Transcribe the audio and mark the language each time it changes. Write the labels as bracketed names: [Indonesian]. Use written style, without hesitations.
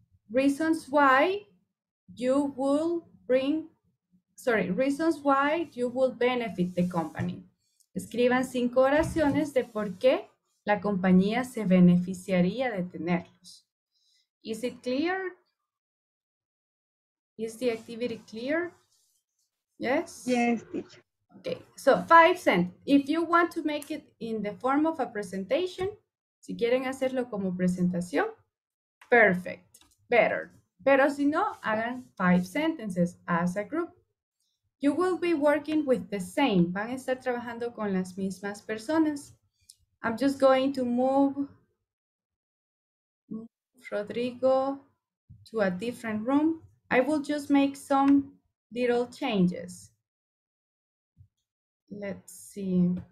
[English] Reasons why you will reasons why you will benefit the company. [Spanish] Escriban cinco oraciones de por qué la compañía se beneficiaría de tenerlos. [English] Is it clear? Is the activity clear? Yes? Yes, teacher. Okay, so five sentences. If you want to make it in the form of a presentation, si quieren hacerlo como presentación, perfect, better, Pero si no, hagan 5 sentences as a group. You will be working with the same. [Spanish] Van a estar trabajando con las mismas personas. [English] I'm just going to move Rodrigo to a different room. I will just make some little changes. Let's see.